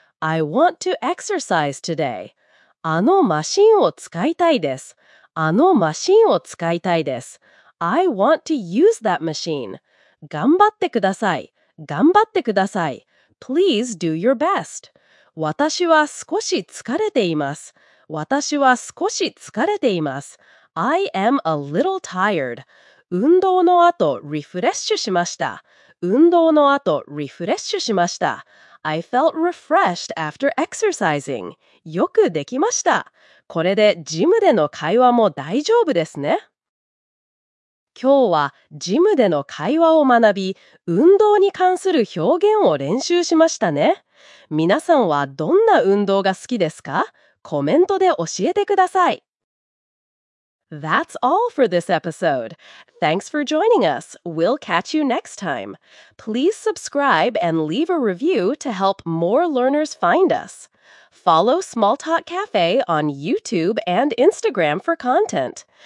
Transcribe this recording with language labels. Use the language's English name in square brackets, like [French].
[English] I want to exercise today. [Japanese] あのマシンを使いたいです。あのマシンを使いたいです。 [English] I want to use that machine. [Japanese] 頑張ってください。頑張ってください。 [English] Please do your best. [Japanese] 私は少し疲れています。私は少し疲れています。 [English] I am a little tired. [Japanese] 運動の後、リフレッシュしました。運動の後、リフレッシュしました。 [English] I felt refreshed after exercising. [Japanese] よくできました。これでジムでの会話も大丈夫ですね。今日はジムでの会話を学び、運動に関する表現を練習しましたね。皆さんはどんな運動が好きですか？コメントで教えてください。 [English] That's all for this episode. Thanks for joining us. We'll catch you next time. Please subscribe and leave a review to help more learners find us. Follow Small Talk Cafe on YouTube and Instagram for content.